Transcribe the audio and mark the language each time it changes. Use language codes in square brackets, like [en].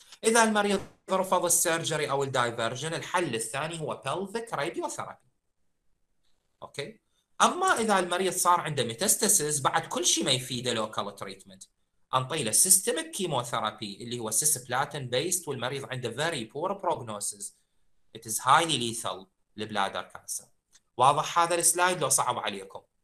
[ar] إذا المريض رفض السيرجري أو الدايفرجن، الحل الثاني هو [en] pelvic radiotherapy. [ar] أوكي؟ أما إذا المريض صار عنده ميتاستاسيس بعد كل شيء ما يفيده [en] local treatment، [ar] أنطي له [en] systemic chemotherapy [ar] اللي هو cisplatin based، والمريض عنده [en] very poor prognosis. It is highly lethal لبلادر cancer. [ar] واضح هذا السلايد لو صعب عليكم؟